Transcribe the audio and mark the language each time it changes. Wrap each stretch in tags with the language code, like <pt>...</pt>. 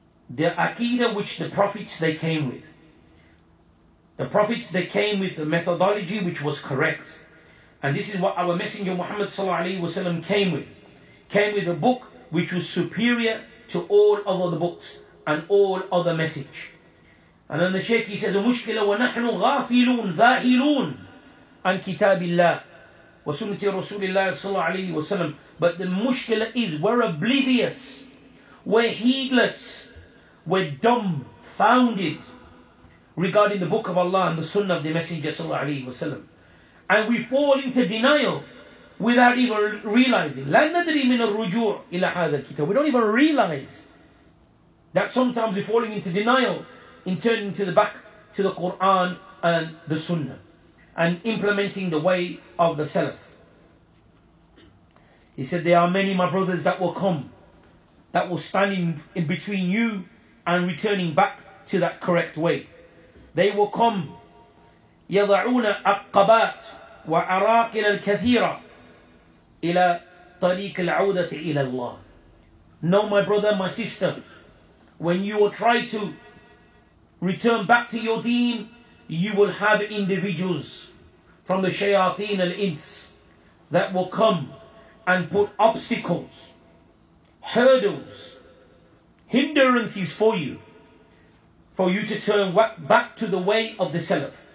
<en>The Aqeedah which the Prophets they came with. The Prophets they came with the methodology which was correct. And this is what our Messenger Muhammad Sallallahu Alaihi Wasallam came with. Came with a book which was superior to all of other books and all other message. And then the Shaykh, he says,</en> <ar>المشكلة ونحن غافلون ذاهلون عن كتاب الله وسنة رسول الله صلى الله عليه وسلم.</ar> <en>But the مشكلة is, we're oblivious, we're heedless, we're dumbfounded regarding the book of Allah and the Sunnah of the Messenger صلى الله عليه وسلم. And we fall into denial without even realizing.</en> <ar>لا ندري من الرجوع إلى هذا الكتاب.</ar> <en>We don't even realize that sometimes we're falling into denial in turning to the back to the Quran and the Sunnah and implementing the way of the Salaf. He said, there are many, my brothers, that will come, that will stand in between you and returning back to that correct way. They will come.</en> <ar>يضعون أقبات وعراقل الكثيرة إلى طريق العودة إلى الله.</ar> <en>No, my brother, my sister, when you will try to return back to your deen, you will have individuals from the shayateen al-ins that will come and put obstacles, hurdles, hindrances for you to turn back to the way of the Salaf.</en>